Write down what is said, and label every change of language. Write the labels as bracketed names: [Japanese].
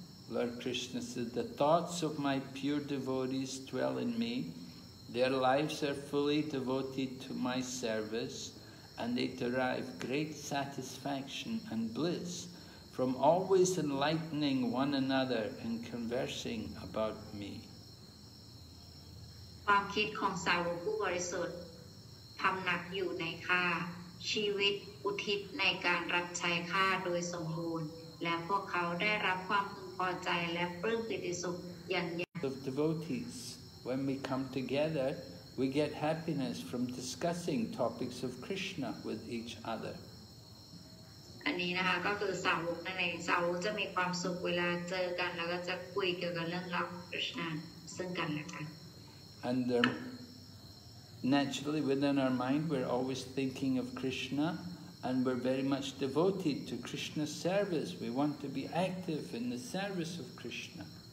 [English] Lord Krishna said, the thoughts of my pure devotees dwell in me. Their lives are fully devoted to my service, and they derive great satisfaction and bliss from always enlightening one another and conversing about me. [Thai] ความคิดของสาวกผู้บริสุทธิ์ทำหนักอยู่ในข้าชีวิตอุทิศในการรับใช้ข้าโดยสมบูรณ์ และพวกเขาได้รับความพึงพอใจและปลื้มปิติสุขอย่างยิ่ง [English] The devotees, when we come together, we get happiness from discussing topics of Krishna with each other. [Thai] อันนี้นะคะก็คือสาวกนั่นเองสาวกจะมีความสุขเวลาเจอกันแล้วก็จะคุยเกี่ยวกับเรื่องราวคริสต์นาซึ่งกันและกัน [English] And there, naturally within our mind we're always thinking of Krishna. And we're very much devoted to Krishna's service. We want to be active in the service of Krishna.